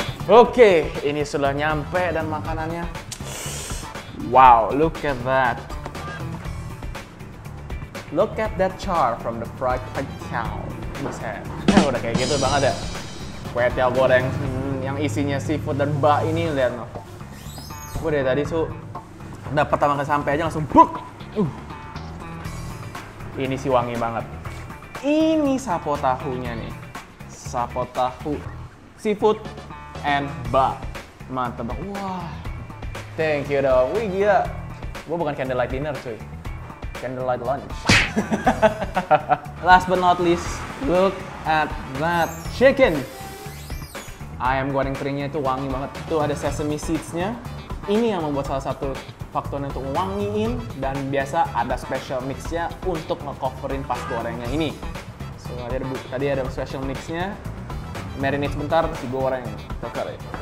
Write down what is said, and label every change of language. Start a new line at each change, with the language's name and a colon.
Indonesian: Oke, ini sudah nyampe dan makanannya.
English: Wow, look at that. Look at that char from the fried kacang.
Indonesian: Buset, udah kayak gitu banget ya. Kwetiau goreng yang isinya seafood dan bak ini, lihat loh. Gue dari tadi udah pertama kali sampai aja langsung buk. Ini sih wangi banget. Ini sapo tahunya nih. Sapo tahu seafood and bak, mantap banget. Wah,
English: thank you
Indonesian: dong. Wih gila, gua bukan candlelight dinner cuy, candlelight lunch.
English: Last but not least, look at that chicken.
Indonesian: Ayam goreng keringnya itu wangi banget. Tuh ada sesame seeds-nya. Ini yang membuat salah satu faktornya untuk wangiin, dan biasa ada special mix-nya untuk nge-coverin pas gorengnya ini. So, tadi ada special mix-nya. Marinate sebentar, si goreng tukar ya.